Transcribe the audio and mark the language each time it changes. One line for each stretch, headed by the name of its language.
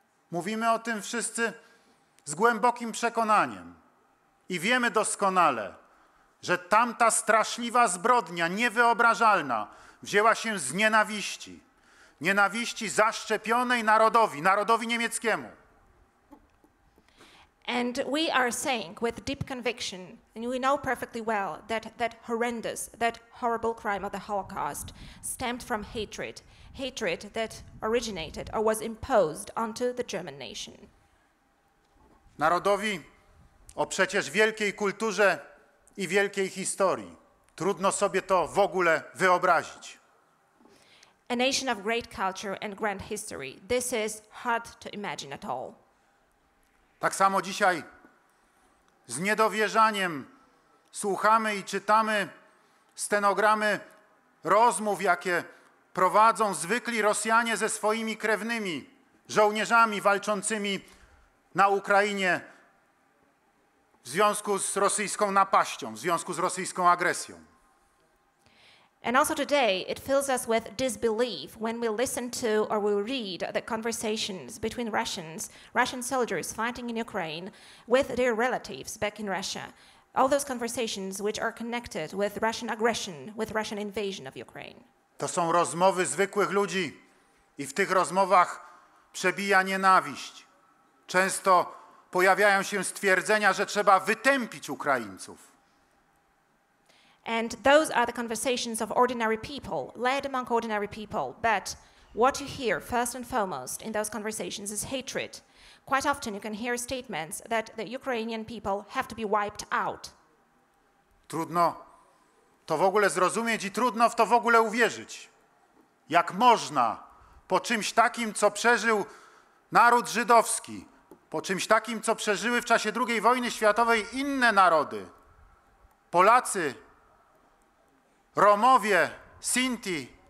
Polish: Mówimy o tym wszyscy z głębokim przekonaniem i wiemy doskonale, że tamta straszliwa zbrodnia, niewyobrażalna, wzięła się z nienawiści. Nienawiści zaszczepionej narodowi, narodowi niemieckiemu.
English: And we are saying with deep conviction, and we know perfectly well that that horrendous, that horrible crime of the Holocaust stemmed from hatred, hatred that originated or was imposed onto the German nation.
Polish: Narodowi o przecież wielkiej kulturze i wielkiej historii. Trudno sobie to w ogóle wyobrazić.
English: A nation of great culture and grand history. This is hard to imagine at all.
Polish: Tak samo dzisiaj z niedowierzaniem słuchamy i czytamy stenogramy rozmów, jakie prowadzą zwykli Rosjanie ze swoimi krewnymi, żołnierzami walczącymi na Ukrainie w związku z rosyjską napaścią, w związku z rosyjską agresją.
English: And also today, it fills us with disbelief when we listen to or we read the conversations between Russians, Russian soldiers fighting in Ukraine with their relatives back in Russia. All those conversations which are connected with Russian aggression, with Russian invasion of Ukraine.
Polish: To są rozmowy zwykłych ludzi i w tych rozmowach przebija nienawiść. Często pojawiają się stwierdzenia, że trzeba wytępić Ukraińców.
English: And those are the conversations of ordinary people, led among ordinary people. But what you hear first and foremost in those conversations is hatred. Quite often you can hear statements that the Ukrainian people have to be wiped out.
Polish: Trudno to w ogóle zrozumieć i trudno w to w ogóle uwierzyć. Jak można po czymś takim, co przeżył naród żydowski, po czymś takim, co przeżyły w czasie II wojny światowej inne narody, Polacy, Romowie, Sinti,